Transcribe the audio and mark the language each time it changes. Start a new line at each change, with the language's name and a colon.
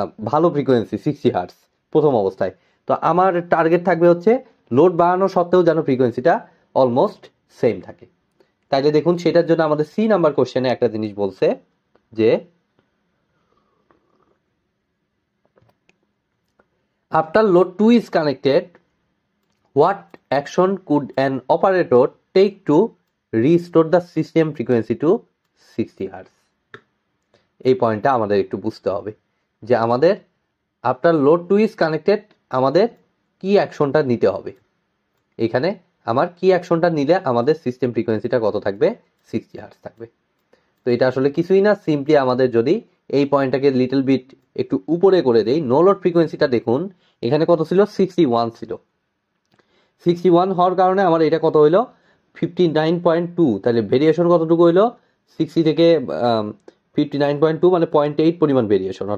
Bangla: ভালো frequency 60 hertz প্রথম অবস্থায় তো আমার টার্গেট থাকবে হচ্ছে লোড বাড়ানো সত্ত্বেও যেন ফ্রিকোয়েন্সিটা অলমোস্ট সেম থাকে তাইলে দেখুন সেটার জন্য আমাদের সি নাম্বার কোশ্চেনে একটা জিনিস বলছে যে
English: After load two is connected what action could an operator take to restore the system frequency to 60 hertz?
Bangla: এই পয়েন্টটা আমাদের একটু বুঝতে হবে যে আমাদের
English: after load to is connected
Bangla: আমাদের কি অ্যাকশনটা নিতে হবে, এখানে আমার কি অ্যাকশনটা নিলে আমাদের সিস্টেম ফ্রিকোয়েন্সিটা কত থাকবে, 60 hertz থাকবে। তো এটা আসলে কিছুই না, সিম্পলি আমাদের যদি এই পয়েন্টটাকে লিটল বিট একটু উপরে করে দেই, নো লোড ফ্রিকোয়েন্সিটা দেখুন এখানে কত ছিল, 61 ছিল, 61 হওয়ার কারণে আমার এটা কত হইলো, 59.2, তাহলে ভেরিয়েশন কতটুকু হইলো, 60 থেকে 59.2 মানে 0.8 পরিমাণ ভেরিয়েশন।